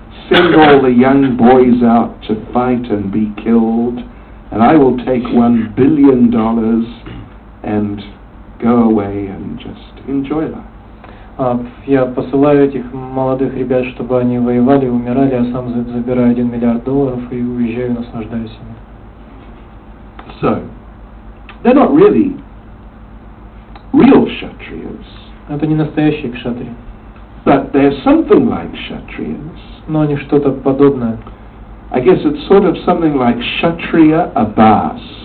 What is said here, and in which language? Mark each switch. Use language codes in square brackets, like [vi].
[en] Send all the young boys out to fight and be killed, and I will take $1 billion and go away and just enjoy life. [ru] Я посылаю этих молодых ребят, чтобы они воевали, умирали, а сам забираю $1 миллиард и уезжаю, наслаждаюсь ими. [en] So, they're not really real kshatriyas. [ru] Это не настоящие кшатри. [en] But they're something like kshatriyas. [ru] Но они что-то подобное. [en] I guess it's sort of something like kshatriya abhas.